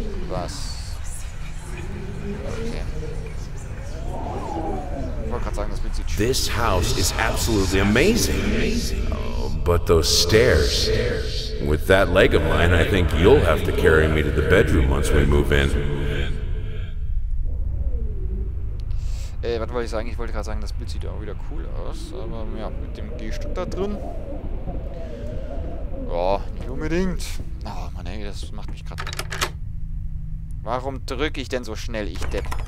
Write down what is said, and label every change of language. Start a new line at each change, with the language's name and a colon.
German: Was? Okay. Ich wollte gerade sagen, das wird sie tun.
English: This house is absolutely amazing. But those stairs. With that leg of mine, I think you'll have to carry me to the bedroom once we move in.
German: Was wollte ich sagen? Ich wollte gerade sagen, das Bild sieht auch wieder cool aus. Aber ja, mit dem Gehstück da drin. Boah, nicht unbedingt. Oh Mann, ey, das macht mich gerade. Warum drücke ich denn so schnell, ich Depp?